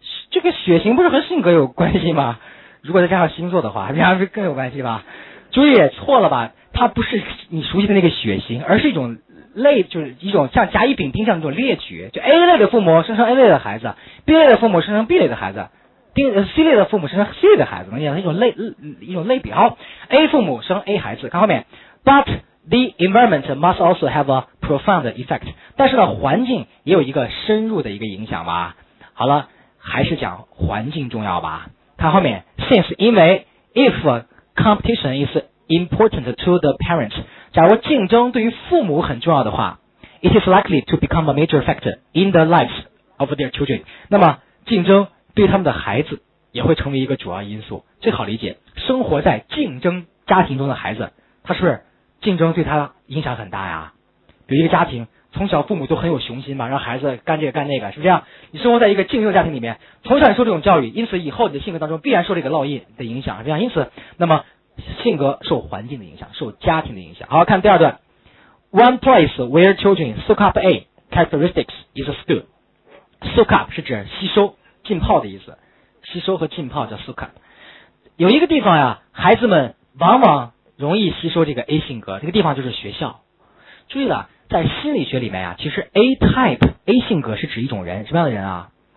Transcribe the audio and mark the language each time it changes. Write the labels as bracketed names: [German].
[Chinese] 这个血型不是和性格有关系吗？如果再加上星座的话，这样就更有关系吧？注意错了吧？它不是你熟悉的那个血型，而是一种类，就是一种像甲乙丙丁这样一种列举，就 A 类的父母生成 A 类的孩子 ，B 类的父母生成 B 类的孩子 ，C 类的父母生成 C 类的孩子，能讲一种类比。好 ，A 父母生 A 孩子，看后面 [English] ，But the environment must also have a profound effect。 [Chinese] 但是呢，环境也有一个深入的一个影响吧。好了，还是讲环境重要吧。看后面 [English] ，Since [Chinese] 因为 [English] if competition is important to the parents。 [Chinese] 假如竞争对于父母很重要的话 [English] ，it is likely to become a major factor in the lives of their children。 [Chinese] 那么竞争对他们的孩子也会成为一个主要因素。最好理解，生活在竞争家庭中的孩子，他是不是竞争对他影响很大呀？比如一个家庭，从小父母都很有雄心嘛，让孩子干这个干那个，是不是这样？你生活在一个竞争家庭里面，从小你受这种教育，因此以后你的性格当中必然受这个烙印的影响，是这样？因此，那么。性格受环境的影响，受家庭的影响。好，看第二段。 [English] One place where children soak up A characteristics is a school. [Chinese] Soak up 是指吸收、浸泡的意思，吸收和浸泡叫 soak up。有一个地方呀，孩子们往往容易吸收这个 A 性格，这个地方就是学校。注意了，在心理学里面呀，其实 A type A 性格是指一种人，什么样的人啊？